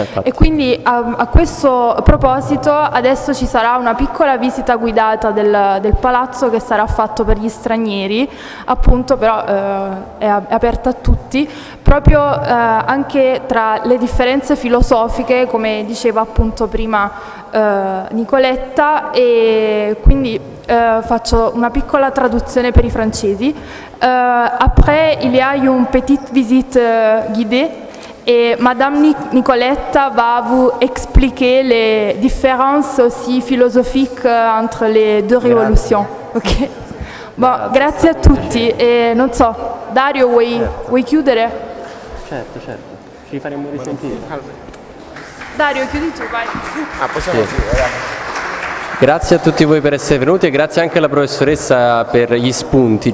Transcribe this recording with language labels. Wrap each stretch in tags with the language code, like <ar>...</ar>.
<it>E quindi a questo proposito adesso ci sarà una piccola visita guidata del palazzo che sarà fatto per gli stranieri, appunto, però è aperta a tutti, proprio anche tra le differenze filosofiche, come diceva appunto prima Nicoletta, e quindi faccio una piccola traduzione per i francesi.</it> <fr>Après il y a une petite visite guidée et madame Nicoletta va vous expliquer les différences aussi philosophiques entre les deux révolutions. OK.</fr> <it>Bon, grazie a tutti e non so, Dario, vuoi chiudere? Certo. Ci faremo risentire. Dario, chiudi tu, vai. Ah, possiamo, sì. Grazie a tutti voi per essere venuti e grazie anche alla professoressa per gli spunti.</it>